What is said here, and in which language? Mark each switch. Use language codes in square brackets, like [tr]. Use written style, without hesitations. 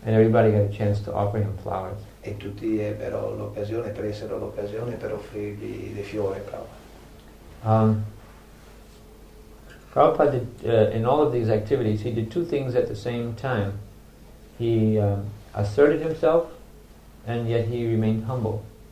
[en] And everybody got a chance to offer him flowers. [it] E tutti ebbero l'occasione, presero l'occasione per offrirgli dei fiori a Prabhupada. [en] Prabhupada did, in all of these activities, he did two things at the same time. He asserted himself, and yet he remained humble.